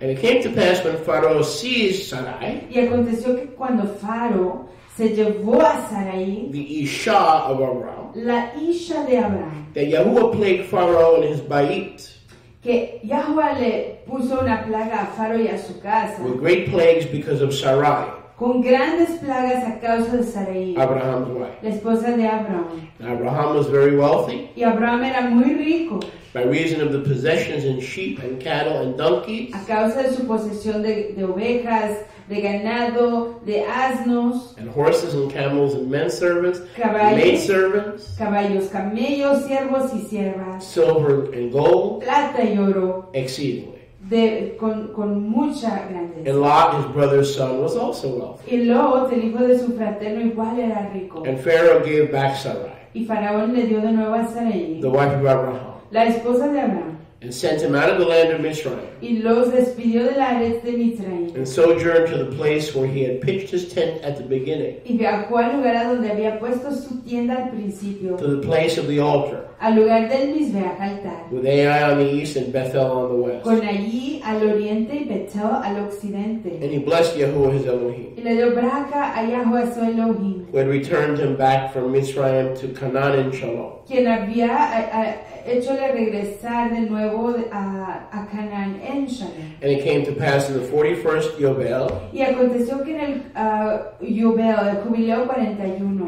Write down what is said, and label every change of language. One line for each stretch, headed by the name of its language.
English: And it came to pass when Pharaoh seized Sarai.
Spanish: Y aconteció que cuando Pharaoh se llevó a Sarai.
English: The Isha of Abraham.
Spanish: La Isha de Abraham.
English: That Yahuwah plagued Pharaoh and his bayit.
Spanish: Que Yahuwah le puso una plaga a Pharaoh y a su casa.
English: With great plagues because of Sarai.
Spanish: Con grandes plagas a causa de Sarai,
English: Abraham's wife.
Spanish: La esposa de Abraham.
English: Now Abraham was very wealthy.
Spanish: Y Abraham era muy rico.
English: By reason of the possessions in sheep and cattle and donkeys.
Spanish: A causa de su posesión de ovejas, de ganado, de asnos.
English: And horses and camels and men servants.
Spanish: Caballos,
English: maid servants.
Spanish: Caballos, camellos, siervos y siervas.
English: Silver and gold.
Spanish: Plata y oro.
English: Exceedingly.
Spanish: Con mucha grandeza.
English: And Lot, his brother's son, was also wealthy.
Spanish: Y Lot, el hijo de su fraterno, igual era rico.
English: And Pharaoh gave back Sarai.
Spanish: Y Faraón le dio de nuevo a Sarai.
English: The wife of Abraham.
Spanish: La esposa de Abraham.
English: And sent him out of the land of Mizraim.
Spanish: Y los despidió de la red de Mizraim.
English: And sojourned to the place where he had pitched his tent at the beginning.
Spanish: Y viajó al lugar donde había puesto su tienda al principio.
English: To the place of the altar.
Spanish: Al lugar del Mizbeach altar.
English: With Ai on the east and Bethel on the west.
Spanish: Con allí al oriente y Bethel al occidente.
English: And he blessed Yahuwah his Elohim.
Spanish: Y le dio braca a Yahuwah su Elohim.
English: Who had returned him back from Mizraim to Canaan in Shalom.
Spanish: Quien había hechole regresar de nuevo a Canaan en Shalom.
English: And it came to pass in the 41st Yobel.
Spanish: Y aconteció que en el Yobel, el jubileo 41.